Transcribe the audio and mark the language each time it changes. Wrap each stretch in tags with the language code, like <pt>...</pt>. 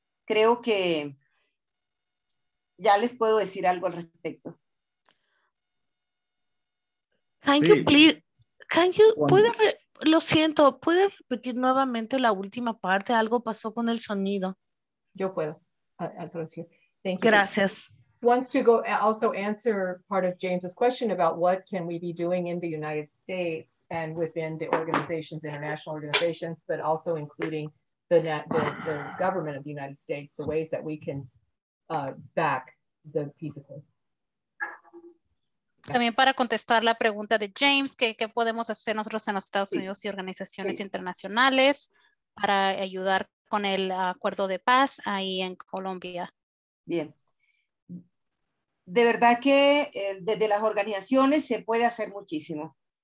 <es>Creo que ya les puedo decir algo al respecto. ¿Puede repetir nuevamente la última parte? Algo pasó con el sonido. Yo puedo.</es> <en>Thank you.</en> <es>Gracias.</es> <en>wants to go also answer part of James's question about what can we be doing in the United States and within the organizations, international organizations, but also including the government of the United States, the ways that we can back the peace accord.</en> <es>También para contestar la pregunta de James, ¿qué podemos hacer nosotros en los Estados Unidos y organizaciones internacionales para ayudar con el acuerdo de paz ahí en Colombia? Bien. De verdad que desde las organizaciones se puede hacer muchísimo.</es>